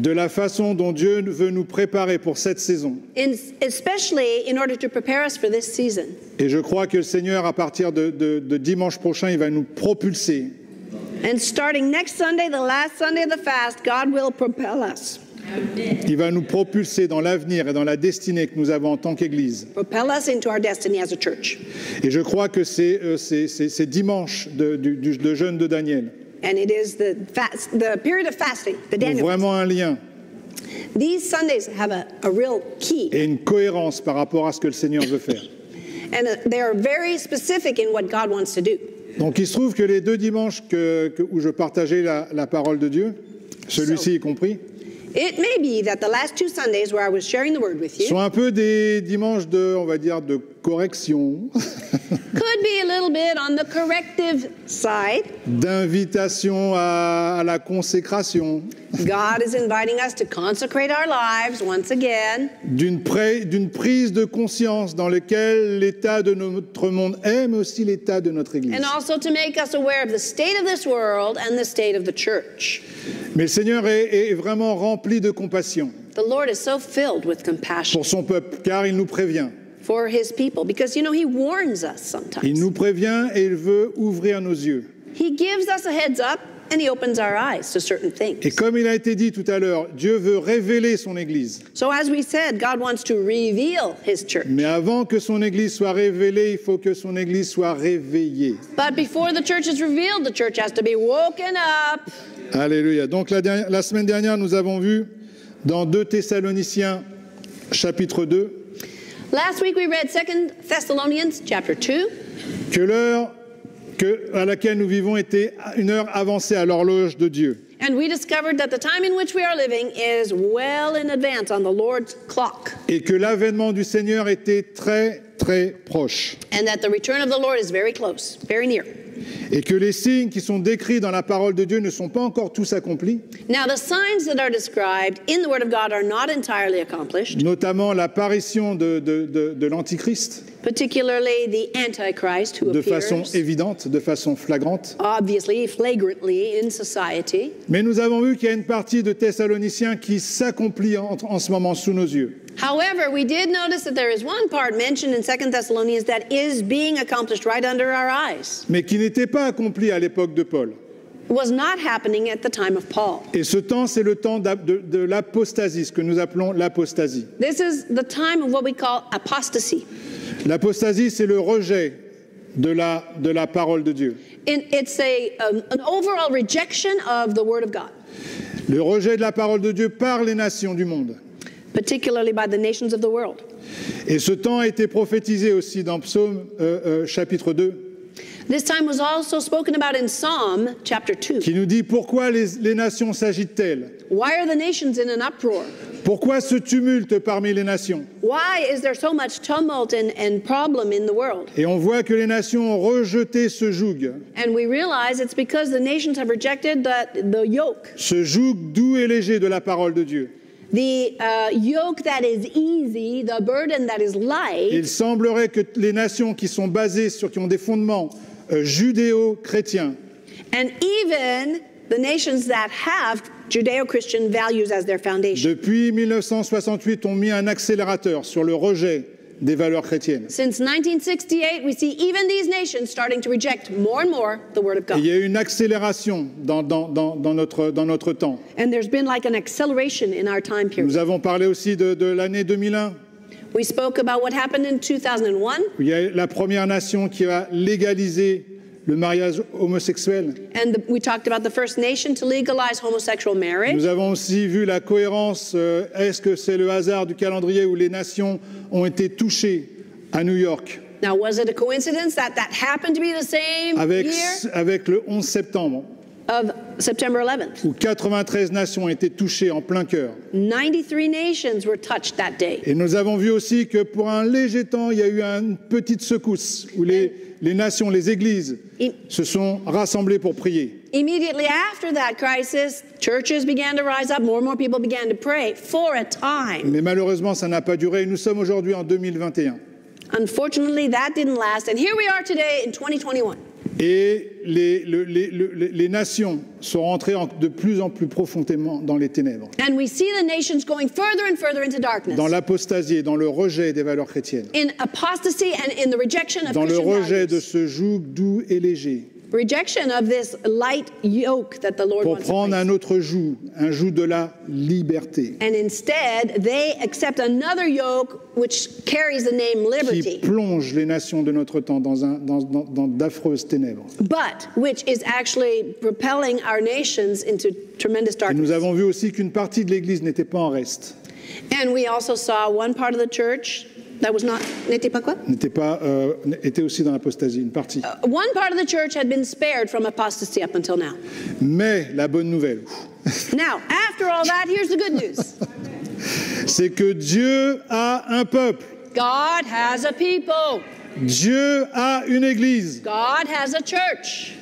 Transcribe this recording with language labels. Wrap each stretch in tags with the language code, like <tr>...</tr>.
<fr>De la façon dont Dieu veut nous préparer pour cette saison.</fr> <en>In, especially in order to prepare us for this season.</en> <fr>Et je crois que le Seigneur, à partir de dimanche prochain, il va nous propulser.</fr> <en>And starting next Sunday, the last Sunday of the fast, God will propel us.</en> <fr>Il va nous propulser dans l'avenir et dans la destinée que nous avons en tant qu'Église.</fr> <en>Propel us into our destiny as a church.</en> <fr>Et je crois que c'est dimanche de jeûne de Daniel.</fr> <en>And it is the fast, the period of fasting, the Daniel.</en> <fr>Donc vraiment un lien.</fr> <en>These Sundays have a real key.</en> <fr>Et une cohérence par rapport à ce que le Seigneur veut faire.</fr> <en>And they are very specific in what God wants to do.</en> <fr>Donc il se trouve que les deux dimanches où je partageais la parole de Dieu, celui-ci y compris.</fr> <en>It may be that the last two Sundays where I was sharing the word with you</en> <fr>sont un peu des dimanches de, on va dire, de correction.</fr> <en>Could be a little bit on the corrective side.</en> <fr>D'invitation à la consécration.</fr> <en>God is inviting us to consecrate our lives once again.</en> <fr>D'une prise de conscience dans laquelle l'état de notre monde est, mais aussi l'état de notre Église.</fr> <en>And also to make us aware of the state of this world and the state of the church.</en> <fr>Mais le Seigneur est vraiment rempli de compassion.</fr> <en>The Lord is so filled with compassion.</en> <fr>Pour son peuple, car il nous prévient.</fr> <en>For his people, because you know he warns us sometimes.</en> <fr>Il nous prévient et il veut ouvrir nos yeux.</fr> <en>He gives us a heads up and he opens our eyes to certain things.</en> <fr>Et comme il a été dit tout à l'heure, Dieu veut révéler son Église.</fr> <en>So as we said, God wants to reveal his church.</en> <fr>Mais avant que son Église soit révélée, il faut que son Église soit réveillée.</fr> <en>But before the church is revealed, the church has to be woken up. Alléluia.</en> <fr>Donc la semaine dernière, nous avons vu dans 2 Thessaloniciens chapitre 2.</fr> <en>Last week we read 2 Thessalonians chapter 2.</en> <fr>Que l'heure à laquelle nous vivons était une heure avancée à l'horloge de Dieu.</fr> <en>And we discovered that the time in which we are living is well in advance on the Lord's clock.</en> <fr>Et que l'avènement du Seigneur était très très proche.</fr> <en>And that the return of the Lord is very close, very near.</en> <fr>Et que les signes qui sont décrits dans la parole de Dieu ne sont pas encore tous accomplis.</fr> <en>Now, the signs that are described in the word of God are not entirely accomplished.</en> <fr>Notamment l'apparition de l'Antichrist.</fr> <en>Particularly the Antichrist who</en> <fr>de</fr> <en>appears.</en> <fr>De façon évidente, de façon flagrante.</fr> <en>Obviously, flagrantly in society.</en> <fr>Mais nous avons vu qu'il y a une partie de Thessaloniciens qui s'accomplit en ce moment sous nos yeux.</fr> <en>However, we did notice that there is one part mentioned in 2 Thessalonians that is being accomplished right under our eyes.</en> <fr>Mais qui n'était pas accompli à l'époque de Paul.</fr> <en>It was not happening at the time of Paul.</en> <fr>Et ce temps, c'est le temps de l'apostasie, ce que nous appelons l'apostasie.</fr> <en>This is the time of what we call apostasy.</en> <fr>L'apostasie, c'est le rejet de la parole de Dieu.</fr> <en>It's an overall rejection of the word of God.</en> <fr>Le rejet de la parole de Dieu par les nations du monde.</fr> <en>Particularly by the nations of the world.</en> <fr>Et ce temps a été prophétisé aussi dans Psaume chapitre 2.</fr> <en>This time was also spoken about in Psalm chapter 2.</en> <fr>Qui nous dit pourquoi les nations s'agitent-elles?</fr> <en>Why are the nations in an uproar?</en> <fr>Pourquoi ce tumulte parmi les nations?</fr> <en>Why is there so much tumult and problem in the world?</en> <fr>Et on voit que les nations ont rejeté ce joug.</fr> <en>And we realize it's because the nations have rejected the yoke.</en> <fr>Ce joug doux et léger de la parole de Dieu.</fr> <en>The yoke that is easy, the burden that is light.</en> <fr>Il semblerait que les nations qui sont basées sur, qui ont des fondements judéo-chrétiens.</fr> <en>And even the nations that have Judeo-Christian values as their foundation.</en> <fr>Depuis 1968, ont mis un accélérateur sur le rejet des valeurs chrétiennes.</fr> <en>Since 1968, we see even these nations starting to reject more and more the word of God.</en> <fr>Il y a eu une accélération dans notre temps.</fr> <en>And there's been like an acceleration in our time period.</en> <fr>Nous avons parlé aussi de l'année 2001.</fr> <en>We spoke about what happened in 2001.</en> <fr>Il y a la première nation qui a légalisé le mariage homosexuel.</fr> <en>And we talked about the first nation to legalize homosexual marriage.</en> <fr>Nous avons aussi vu la cohérence, est-ce que c'est le hasard du calendrier où les nations ont été touchées à New York?</fr> <en>Now was it a coincidence that happened to be the same</en> <fr>avec le 11 septembre?</fr> <en>of September 11th.</en> <fr>Où 93 nations ont été touchées en plein cœur.</fr> <en>93 nations were touched that day.</en> <fr>Et nous avons vu aussi que pour un léger temps, il y a eu une petite secousse où les nations, les églises se sont rassemblées pour prier.</fr> <en>Immediately after that crisis, churches began to rise up, more and more people began to pray for a time.</en> <fr>Mais malheureusement, ça n'a pas duré. Nous sommes aujourd'hui en 2021.</fr> <en>Unfortunately, that didn't last, and here we are today in 2021.</en> <fr>Et les nations sont rentrées de plus en plus profondément dans les ténèbres.</fr> <en>And we see the nations going further and further into darkness.</en> <fr>Dans l'apostasie et dans le rejet des valeurs chrétiennes.</fr> <en>In apostasy and in the rejection of Christian values.</en> <fr>Dans le rejet</fr> <en>values.</en> <fr>De ce joug doux et léger.</fr> <en>Rejection of this light yoke that the Lord</en> <fr>pour</fr> <en>wants</en> <fr>prendre</fr> <en>to</en> <fr>un autre joug, un joug de la liberté.</fr> <en>And instead, they accept another yoke which carries the name liberty.</en> <fr>Qui plonge les nations de notre temps dans d'affreuses ténèbres.</fr> <en>But which is actually propelling our nations into tremendous darkness.</en> <fr>Et nous avons vu aussi qu'une partie de l'Église n'était pas en reste.</fr> <en>And we also saw one part of the church. That was not,</en> <fr>n'était pas quoi? N'était pas, était aussi dans l'apostasie, une partie.</fr> <en>One part of the church had been spared from apostasy up until now.</en> <fr>Mais la bonne nouvelle.</fr> <en>Now, after all that, here's the good news.</en> <fr>C'est que Dieu a un peuple.</fr> <en>God has a people.</en> <fr>Dieu a une église.</fr> <en>God has a church.</en>